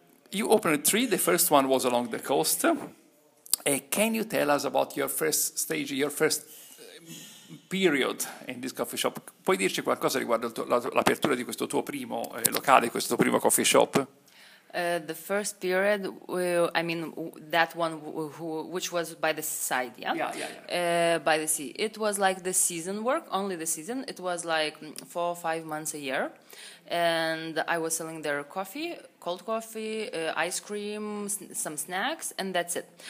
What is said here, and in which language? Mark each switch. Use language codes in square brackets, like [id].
[en] You opened three. The first one was along the coast. Can you tell us about your first stage, your first period in this coffee shop? [it] Puoi dirci qualcosa riguardo l'apertura di questo tuo primo locale, questo primo coffee shop? [en] The first period, which was by the side, by the sea. It was like the season work, only the season. It was like 4 or 5 months a year. And I was selling their coffee, cold coffee, ice cream, some snacks, and that's it.